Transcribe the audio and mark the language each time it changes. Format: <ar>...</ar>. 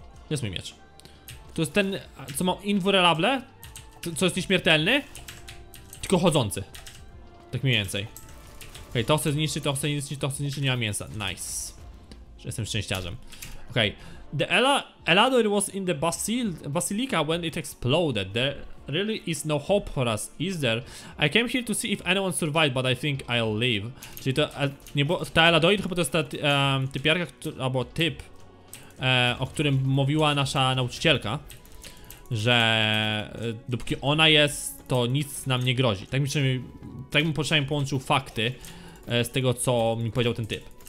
<pl>jest mój miecz. To jest ten, co ma invulnerable, co jest nieśmiertelny, tylko chodzący. Tak mniej więcej. Okej, okay, to chcę zniszczyć, to chcę zniszczyć, to chcę zniszczyć, nie ma mięsa. Nice. Jestem szczęściarzem. Okej. Okay.</pl> <en>The Elador was in the basilica when it exploded. There really is no hope for us, is there? I came here to see if anyone survived, but I think I'll leave.</en> <pl>Czyli to, nie, bo ta Eladoid chyba to jest ta typiarka, albo typ, o którym mówiła nasza nauczycielka, że dopóki ona jest, to nic nam nie grozi. Tak mi się, tak bym przynajmniej połączył fakty z tego, co mi powiedział ten typ.</pl>